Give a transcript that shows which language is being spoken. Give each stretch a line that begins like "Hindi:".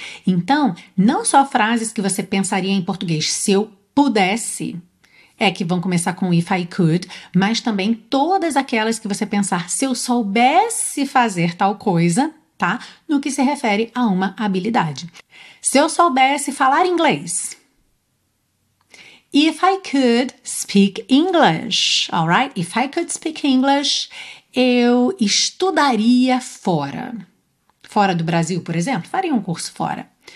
Portuguese: Então, não só frases que você pensaria em português, se eu pudesse, é que vão começar com
English: if I could,
Portuguese: mas também todas aquelas que você pensar, se eu soubesse fazer tal coisa, tá? No que se refere a uma habilidade. Se eu soubesse falar inglês.
English: If I could speak English, all right? If I could speak English,
Portuguese: eu estudaria fora. Fora do Brasil, por exemplo, faria um curso fora.